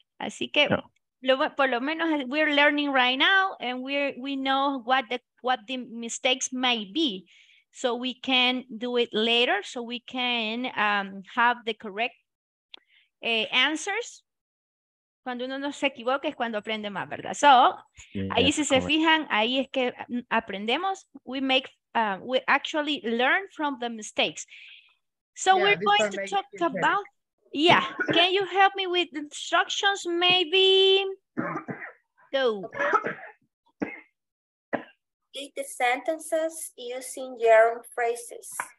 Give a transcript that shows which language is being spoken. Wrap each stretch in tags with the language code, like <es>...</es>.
<en>Así que por lo menos we're learning right now, and we know what the mistakes might be, so we can do it later, so we can have the correct answers.</en> <es>Cuando uno no se equivoca es cuando aprende más, ¿verdad? So, ahí si se fijan, ahí es que aprendemos.</es> <en>We actually learn from the mistakes. So, yeah, we're going to talk about, yeah. Can you help me with instructions, maybe? So, read the sentences using your own phrases.</en>